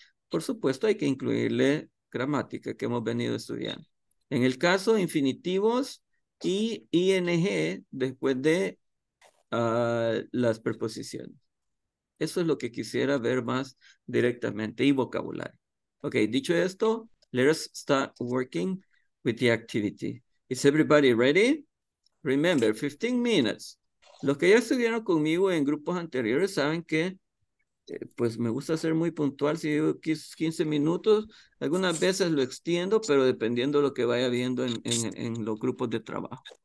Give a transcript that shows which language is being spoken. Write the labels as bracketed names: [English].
[Spanish] Por supuesto, hay que incluirle gramática que hemos venido estudiando. En el caso de infinitivos, y ING después de las preposiciones. Eso es lo que quisiera ver más directamente y vocabulario. [English] Ok, [Spanish] dicho esto, [English] let's start working with the activity. Is everybody ready? Remember, 15 minutes. [Spanish] Los que ya estuvieron conmigo en grupos anteriores saben que pues me gusta ser muy puntual. Si digo 15 minutos, algunas veces lo extiendo, pero dependiendo de lo que vaya viendo en los grupos de trabajo.